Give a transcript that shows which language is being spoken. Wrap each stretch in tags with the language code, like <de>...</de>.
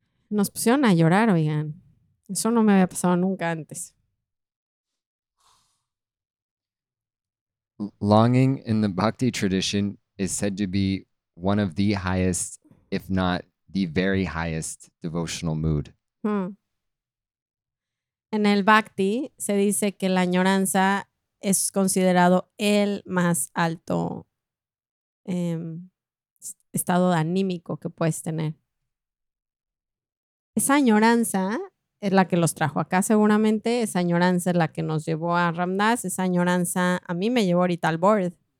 <es>Nos pusieron a llorar, oigan. Eso no me había pasado nunca antes.</es> <en>Longing in the Bhakti tradition is said to be one of the highest, if not the very highest, devotional mood.</en> <es>En el Bhakti se dice que la añoranza es considerado el más alto estado anímico que puedes tener. Esa añoranza es la que los trajo acá seguramente, esa añoranza es la que nos llevó a Ramdas, esa añoranza a mí me llevó ahorita al board.</es>